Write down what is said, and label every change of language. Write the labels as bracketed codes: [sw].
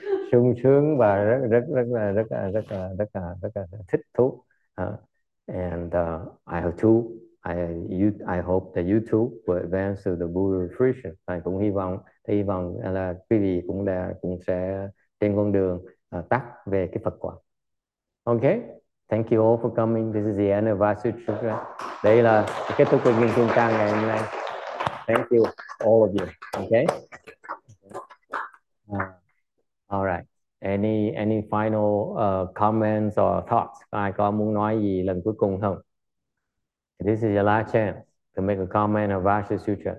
[vi] sung sướng và rất là thích thú. [en] I hope that you too will advance to the Buddha fruition. [vi] Thầy cũng hy vọng là quý vị cũng sẽ trên con đường tắt về cái Phật quả. [en] Okay, thank you all for coming. This is the end of Vajra Sutra. [vi] Đây là kết thúc của kinh Kim Cang ngày hôm nay. [en] Thank you all of you. Okay. All right. Any final comments or thoughts? [vi] Ai có muốn nói gì lần cuối cùng không? [en] This is your last chance to make a comment on Vajra Sutra.